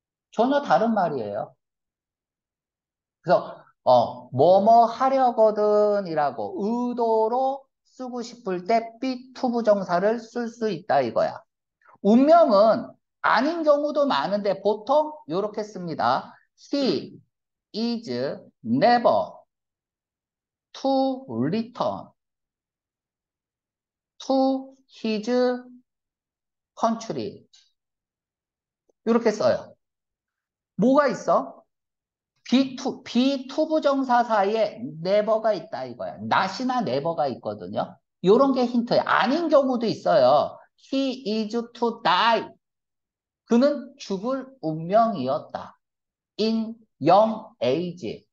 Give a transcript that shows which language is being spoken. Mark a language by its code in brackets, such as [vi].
[ko] 전혀 다른 말이에요. 그래서 뭐뭐 하려거든이라고 의도로 쓰고 싶을 때 be to 부정사를 쓸수 있다 이거야. 운명은 아닌 경우도 많은데 보통 이렇게 씁니다. [en] He is never to return to his country. [ko] 이렇게 써요. 뭐가 있어? be to 부정사 사이에 never가 있다 이거야. not이나 never가 있거든요. 요런 게 힌트예요. 아닌 경우도 있어요. [en] He is to die. [ko] 그는 죽을 운명이었다. [en] In young age.